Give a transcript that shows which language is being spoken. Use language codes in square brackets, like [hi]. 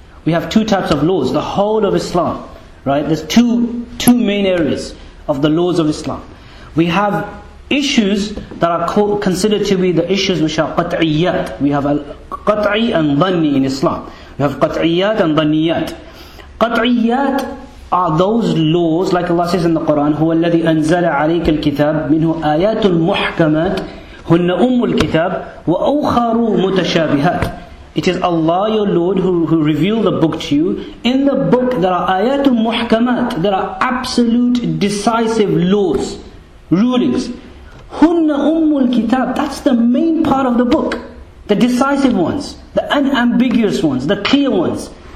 [en] We have two types of laws, the whole of Islam, right? There's two main areas of the laws of Islam. We have issues that are considered to be the issues which are qat'iyat. We have qat'i and dhanni in Islam. We have qat'iyat and dhanniyat. Qat'iyat are those laws, like Allah says in the Quran, [ar] هو الذي أنزل عليك الكتاب منه آيات محكمات هن أم الكتاب وأخر متشابهات. [en] It is Allah, your Lord, who revealed the book to you. In the book, there are ayatul muhkamat. There are absolute, decisive laws, rulings. Hunna ummul kitab. That's the main part of the book. The decisive ones. The unambiguous ones. The clear ones.